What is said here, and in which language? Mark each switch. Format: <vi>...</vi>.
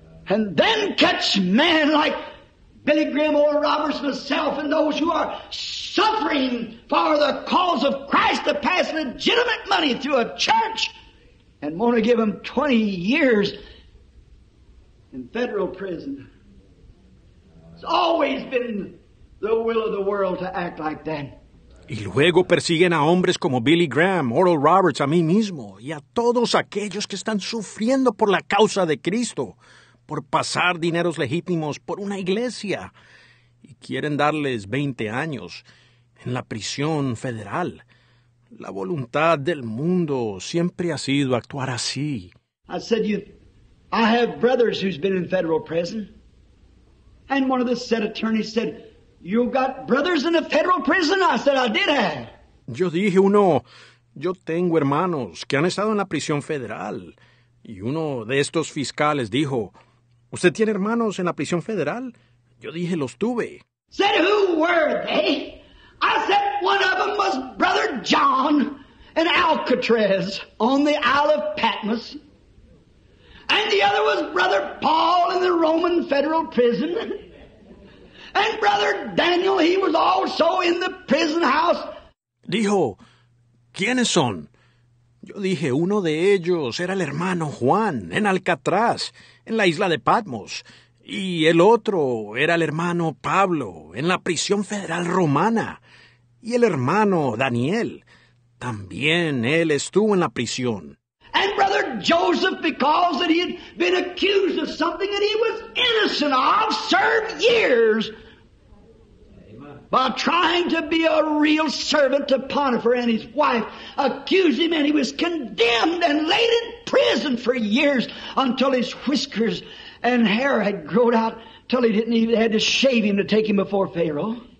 <en>And then catch men like Billy Graham, Oral Roberts, myself, and those who are suffering for the cause of Christ to pass legitimate money through a church and want to give them 20 years. In federal prison, it's always been the will of the world to act like that.</en> <es>Y luego persiguen a hombres como Billy Graham, Oral Roberts, a mí mismo, y a todos aquellos que están sufriendo por la causa de Cristo, por pasar dineros legítimos por una iglesia, y quieren darles 20 años en la prisión federal. La voluntad del mundo siempre ha sido actuar así.</es> <en>I have brothers who's been in federal prison. And one of the said attorneys said, "You got brothers in a federal prison?" I said, "I did have."</en> <es>Yo dije, uno, yo tengo hermanos que han estado en la prisión federal. Y uno de estos fiscales dijo, "¿Usted tiene hermanos en la prisión federal?" Yo dije, "Los tuve."</es> <en>Said, "Who were they?" I said, "One of them was Brother John in Alcatraz on the Isle of Patmos. And the other was Brother Paul in the Roman federal prison. And Brother Daniel, he was also in the prison house."</en> <es>Dijo, "¿Quiénes son?" Yo dije, "Uno de ellos era el hermano Juan en Alcatraz, en la isla de Patmos. Y el otro era el hermano Pablo en la prisión federal romana. Y el hermano Daniel, también él estuvo en la prisión."</es> <en>"And Brother Joseph, because that he had been accused of something that he was innocent of, served years by trying to be a real servant to Potiphar and his wife, accused him, and he was condemned and laid in prison for years until his whiskers and hair had grown out till he didn't even had to shave him to take him before Pharaoh."</en>